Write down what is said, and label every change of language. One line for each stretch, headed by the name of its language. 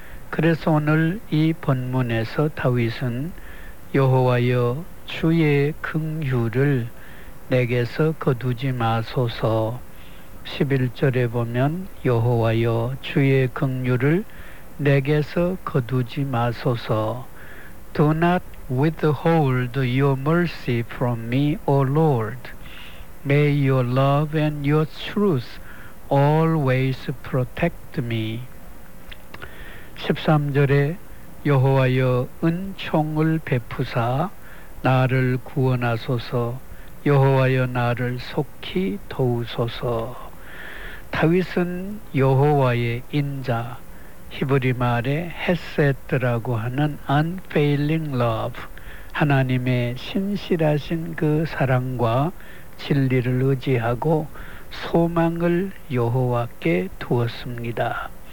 Korean: 그래서 오늘 이 본문에서 다윗은 여호와여 주의 긍휼을 내게서 거두지 마소서, 11절에 보면 여호와여 주의 긍휼을 내게서 거두지 마소서,
English: Do not withhold your mercy from me, O Lord. May your love and your truth always protect me.
Korean: 13절에 여호와여 은총을 베푸사 나를 구원하소서, 여호와여 나를 속히 도우소서. 다윗은 여호와의 인자, 히브리 말에 헤세드라고 하는
English: unfailing love,
Korean: 하나님의 신실하신 그 사랑과 진리를 의지하고 소망을 여호와께 두었습니다.